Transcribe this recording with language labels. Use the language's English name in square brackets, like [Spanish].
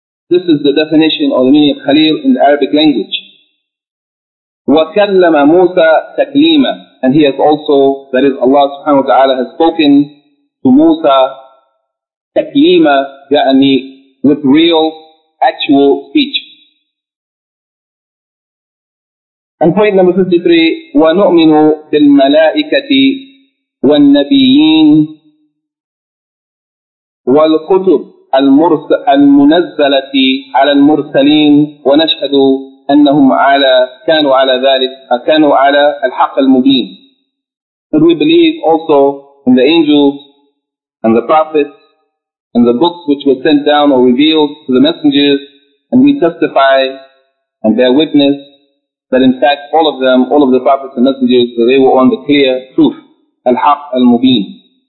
[English] This is the definition or the meaning of Khalil in the Arabic language. [Arabic] وَكَلَّمَ مُوسَى تَكْلِيمًا. [English] And he has also, that is Allah subhanahu wa ta'ala, has spoken to Musa taklima, ya'ani, with real, actual speech. And point number 53, [Arabic] وَنُؤْمِنُ بِالْمَلَائِكَةِ وَالنَّبِيِّينَ وَالْكُتُبِ الْمُنَزَّلَةِ عَلَى الْمُرْسَلِينَ وَنَشْهَدُ أَنَّهُمْ عَلَى كَانُوا عَلَى ذَلِكَ كَانُوا عَلَى الْحَقِّ الْمُبِينَ. [English] That we believe also in the angels and the prophets and the books which were sent down or revealed to the messengers, and we testify and bear witness that in fact all of them, all of the prophets and messengers, that they were on the clear truth, al-haq al-mubin.